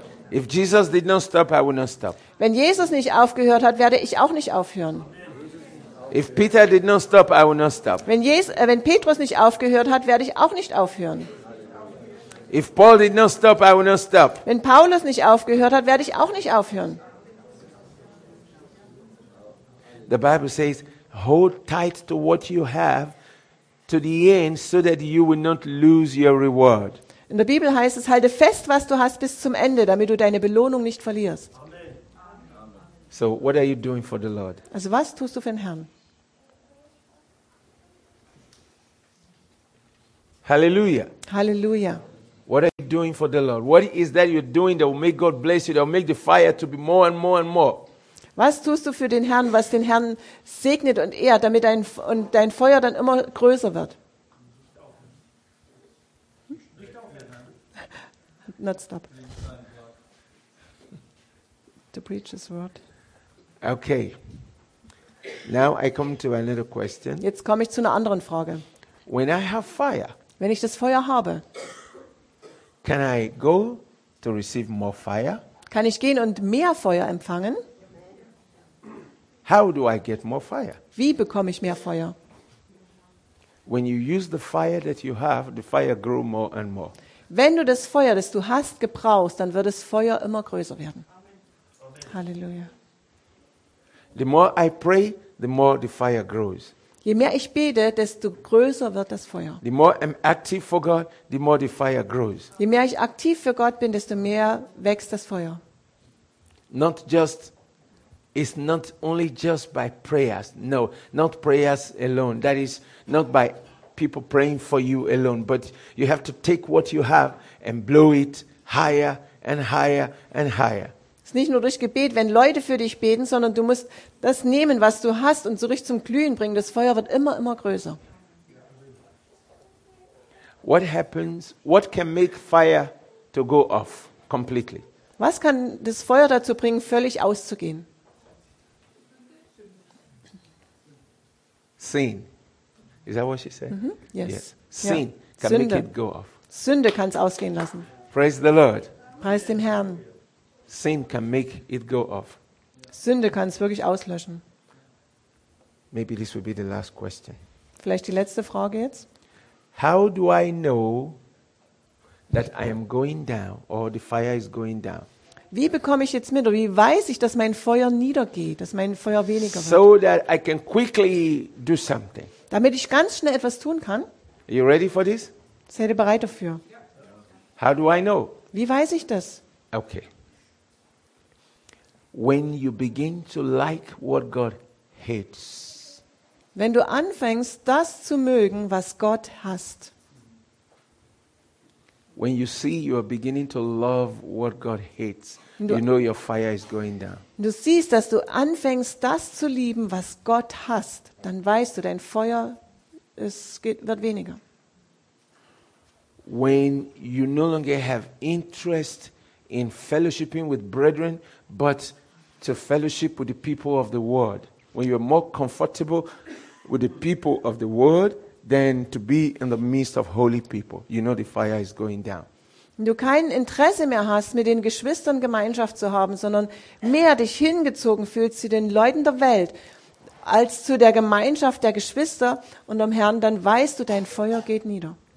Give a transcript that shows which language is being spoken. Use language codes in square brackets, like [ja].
[en] If Jesus did not stop, I would not stop. [de] Wenn Jesus nicht aufgehört hat, werde ich auch nicht aufhören. [en] If Peter did not stop, I would not stop. [de] Wenn Petrus nicht aufgehört hat, werde ich auch nicht aufhören. [en] If Paul did not stop, I would not stop. [de] Wenn Paulus nicht aufgehört hat, werde ich auch nicht aufhören. [en] The Bible says, hold tight to what you have to the end so that you will not lose your reward. [de] In der Bibel heißt es, halte fest, was du hast bis zum Ende, damit du deine Belohnung nicht verlierst. [en] So, what are you doing for the Lord? [de] Also, was tust du für den Herrn? Hallelujah. Hallelujah. [en] What are you doing for the Lord? What is that you're doing that will make God bless you, that will make the fire to be more and more and more? [de] Was tust du für den Herrn, was den Herrn segnet und ehrt, damit dein Feuer dann immer größer wird? [en] Not stop. To preach his word. Okay. Now I come to another question. [de] Jetzt komme ich zu einer anderen Frage. [en] When I have fire, [de] wenn ich das Feuer habe, [en] can I go to receive more fire? [de] Kann ich gehen und mehr Feuer empfangen? [en] How do I get more fire? [de] Wie bekomme ich mehr Feuer? [en] When you use the fire that you have, the fire grow more and more. [de] Wenn du das Feuer, das du hast, gebrauchst, dann wird das Feuer immer größer werden. Halleluja. [en] The more I pray, the more the fire grows. [de] Je mehr ich bete, desto größer wird das Feuer. [en] The more I'm active for God, the more the fire grows. [de] Je mehr ich aktiv für Gott bin, desto mehr wächst das Feuer. [en] Not just it's not only just by prayers. No, not prayers alone. That is not by people praying for you alone, but you have to take what you have and blow it higher and higher and higher. [de] Es ist nicht nur durch Gebet, wenn Leute für dich beten, sondern du musst das nehmen, was du hast und so richtig zum Glühen bringen. Das Feuer wird immer, immer größer. [en] What happens, what can make fire to go off completely? [de] Was kann das Feuer dazu bringen, völlig auszugehen? [en] Sin. Is that what she said? Mm-hmm. Yes. Sin can Sünde. Make it go off. [de] Sünde kann es ausgehen lassen. [en] Praise the Lord. [de] Preis dem Herrn. [en] Sin can make it go off. [de] Sünde kann es wirklich auslöschen. [en] Maybe this will be the last question. [de] Vielleicht die letzte Frage jetzt. [en] How do I know that I am going down or the fire is going down? [de] Wie bekomme ich jetzt mit oder wie weiß ich, dass mein Feuer niedergeht, dass mein Feuer weniger wird? [en] So that I can quickly do something. [de] Damit ich ganz schnell etwas tun kann. [en] Are you ready for this? [de] Seid ihr bereit dafür? [en] How do I know? [de] Wie weiß ich das? [en] Okay. When you begin to like what God hates. [de] Wenn du anfängst, das zu mögen, was Gott hasst. [en] When you see you are beginning to love what God hates, you know your fire is going down. [de] Du siehst, dass du anfängst, das zu lieben, was Gott hasst, dann weißt du, dein Feuer wird weniger. [en] When you no longer have interest in fellowshipping with brethren, but to fellowship with the people of the world. When you're more comfortable with the people of the world than to be in the midst of holy people, you know the fire is going down. [de] Wenn du kein Interesse mehr hast, mit den Geschwistern Gemeinschaft zu haben, sondern mehr dich hingezogen fühlst zu den Leuten der Welt als zu der Gemeinschaft der Geschwister und dem Herrn, dann weißt du, dein Feuer geht nieder.